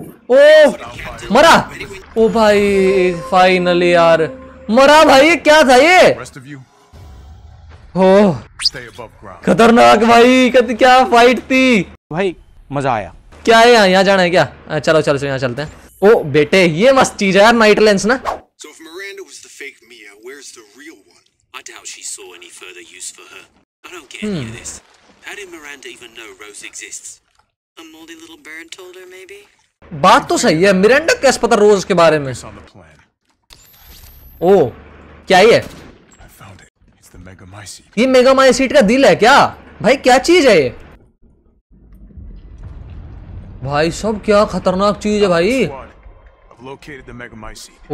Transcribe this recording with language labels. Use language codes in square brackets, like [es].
[hi] ओ मरा, ओ भाई फाइनली यार मरा भाई, क्या था ये? खतरनाक भाई, क्या फाइट थी भाई, मजा आया। क्या है यहाँ, यहाँ जाना है क्या? चलो चलो यहाँ चलते हैं। ओ बेटे ये मस्त चीज है यार, नाइट लेंस ना। [en] So if Miranda was the fake Mia, where's the real one? I doubt she saw any further use for her. I don't get any of this. How did Miranda even know Rose exists? A moldy little bird told her maybe? [hi] बात तो सही है, Miranda कैसे पता रोज के बारे में? ओ क्या ये? [en] I found it. It's the Megamycete. [hi] ये Megamycete का दिल है क्या? भाई क्या चीज है ये? भाई सब क्या खतरनाक चीज है भाई। [en] I've located the Megamycete.